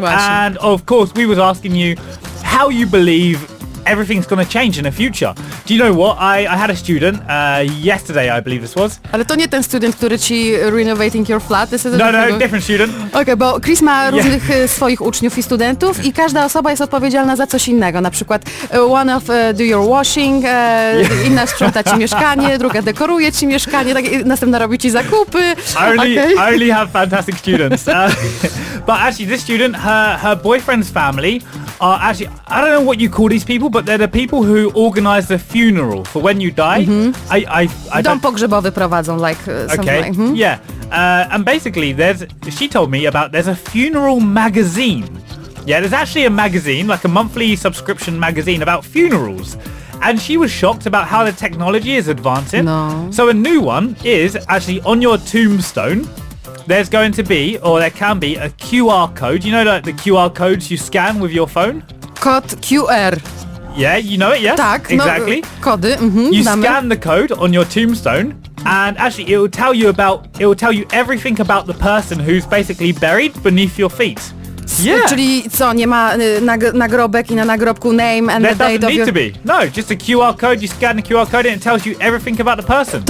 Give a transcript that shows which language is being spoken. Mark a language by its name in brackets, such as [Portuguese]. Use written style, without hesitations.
[Polish] Właśnie. [English] And of course, we was asking you how you believe everything's going to change in the future. Do you know what? I had a student yesterday, I believe this was. [Polish] Ale to nie ten student, który ci [English] renovating your flat. This is no, no, different student. [Polish] Okay, bo Chris ma różnych swoich uczniów i studentów i każda osoba jest odpowiedzialna za coś innego. Na przykład [English] one of do your washing, [Polish] inna sprząta ci mieszkanie, druga dekoruje ci mieszkanie, tak, następna robi ci zakupy. [English] I only have fantastic students. But actually, this student, her boyfriend's family are actually, I don't know what you call these people, but they're the people who organize the funeral for when you die. Mm-hmm. I [Polish] dom pogrzebowy prowadzą, [English] like something. Okay. Mm-hmm. Yeah. And basically, she told me there's a funeral magazine. Yeah, there's actually a magazine, like a monthly subscription magazine about funerals. And she was shocked about how the technology is advancing. [Polish] No. [English] So a new one is actually on your tombstone. There's going to be, or there can be, a QR code. You know, like the QR codes you scan with your phone? Code QR. Yeah, you know it, yes? [Polish] Tak, [English] exactly. [Polish] No, kody, mm-hmm, you damy. [English] Scan the code on your tombstone, and actually it will tell you everything about the person who's basically buried beneath your feet. Yeah. [Polish] Czyli co, nie ma nagrobek i na nagrobku [English] name and there the date of need to be. No, just a QR code, you scan the QR code and it tells you everything about the person.